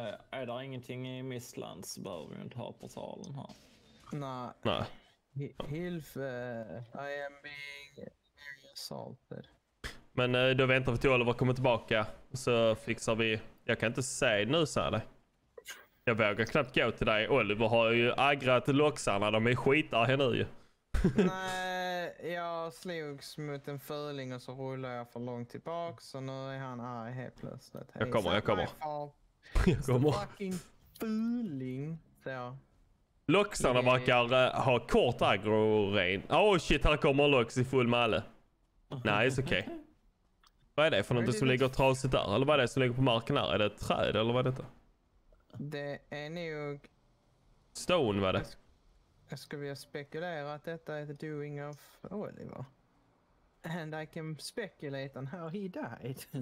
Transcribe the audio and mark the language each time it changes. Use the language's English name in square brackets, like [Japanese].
[Swedish] Är det ingenting i Mistlands behöver vi inte ha portalen här. Nej. Nej. Hjälp, [English] I am being assaulted. [Swedish] Men då väntar vi till Oliver kommer tillbaka, så fixar vi... Jag kan inte säga nu, så här. Jag vågar knappt gå till dig. Oliver har ju aggrat loxarna, de är skitar här nu ju. Nej, jag slogs mot en fuling och så rullar jag för långt tillbaka, så nu är han här helt plötsligt. Jag kommer, jag kommer. Jag kommer. Det är en fucking fuling, säger jag. Loxarna verkar ha kort aggro-rein. [English] Oh shit, [Swedish] här kommer lox i full malle. Nej, det är okej. Vad är det för något som ligger trasigt där? Eller vad är det som ligger på marken där? Är det ett träd eller vad är det? Det är nog... Stone, vad är det? Jag skulle vilja spekulera att detta är [English] the doing of Oliver. And I can speculate on how he died.